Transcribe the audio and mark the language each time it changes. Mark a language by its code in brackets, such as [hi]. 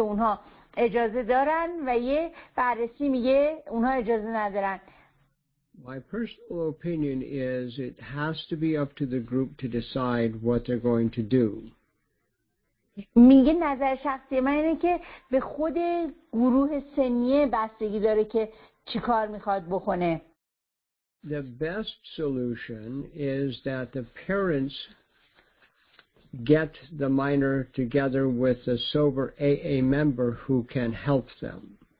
[fa] اونها اجازه دارن و یه بررسی میگه اونها اجازه ندارن. [en] My personal opinion is it has to be up to the group to decide what they're going to do. [fa] میگه نظر شخصی من اینه که به خود گروه سنی بستگی داره که چی کار میخواد بکنه. [en] The best solution is that the parents get the minor together with a sober AA member who can help them.